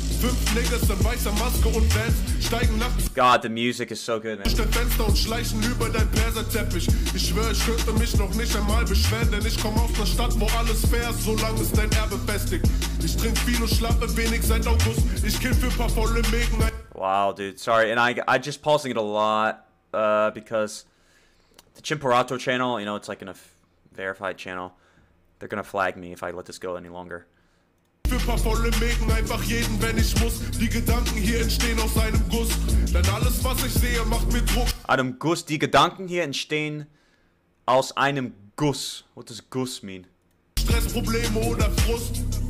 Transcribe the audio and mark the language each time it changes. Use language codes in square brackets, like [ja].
[de] Fünf Niggas in weißer Maske und Vans steigen nachts. [en] God, the music is so good, man. [de] Durch Fenster und schleichen über dein Perserteppich. Ich schwör, ich könnte mich noch nicht einmal beschweren, denn ich komm aus der Stadt, wo alles fair ist, solange es dein Erbe festigt. Ich trink viel und schlappe wenig seit August. Ich kill für paar volle Mägen. [en] Wow, dude, sorry, and I just pausing it a lot, because the Chimperato channel, you know, it's like in a verified channel. They're gonna flag me if I let this go any longer. [de] Für paar volle Mägen einfach jeden, wenn ich muss. Die Gedanken hier entstehen aus einem Guss. Denn alles, was ich sehe, macht mir Druck. Einem Guss. Die Gedanken hier entstehen aus einem Guss. [en] What does Guss mean? [de] Stressprobleme oder Frust.